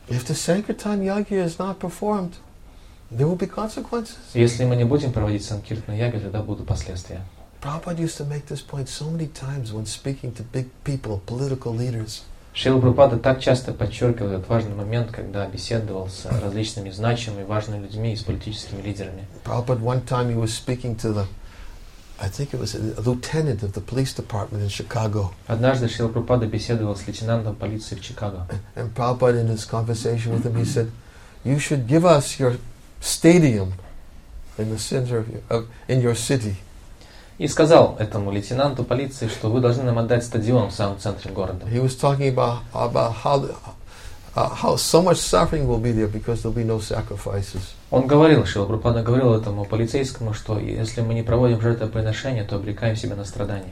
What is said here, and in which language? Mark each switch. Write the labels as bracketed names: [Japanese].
[English] If the Sankirtan Yagya is not performed, there will be consequences. [Russian] Если мы не будем проводить Санкиртану Яги, тогда будут последствия. [English] Prabhupada used to make this point so many times when speaking to big people, political leaders. [Russian] Шрила Прабхупада так часто подчеркивал этот важный момент, когда беседовал с различными значимыми и важными людьми и с политическими лидерами. [English] Prabhupada one time he was speaking to the, I think it was a lieutenant of the police department in Chicago. [Russian] Однажды Шрила Прабхупада беседовал с лейтенантом полиции в Чикаго. [English] And Prabhupada in his conversation with him, he said, "You should give us your stadium in the center of in your city." [Russian] И сказал этому лейтенанту полиции, что вы должны нам отдать стадион в самом центре города. [English] He was talking about how so much suffering will be there because there'll be no sacrifices. [Russian] Он говорил, Шрила Прабхупада говорил этому полицейскому, что если мы не проводим жертвоприношение, то обрекаем себя на страдания.